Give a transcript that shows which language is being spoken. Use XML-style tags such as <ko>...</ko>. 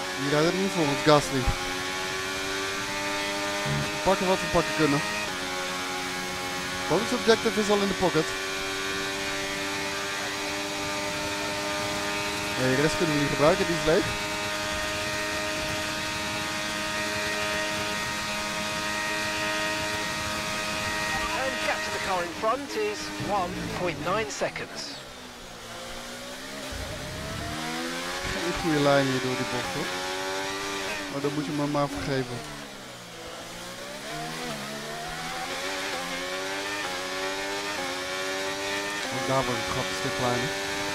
<nl>Ja, dat niet volgens Gasly. We pakken wat we pakken kunnen. Bonus objective is al in de pocket. Nee, de rest kunnen we niet gebruiken, die is leeg.</nl> <en>And gap to the car in front is 1.9 seconds.</en> <nl>Geen goede lijn hier door die bocht hoor. Maar dat moet je me maar vergeven. Want daar wordt het gat een stuk kleiner.</nl>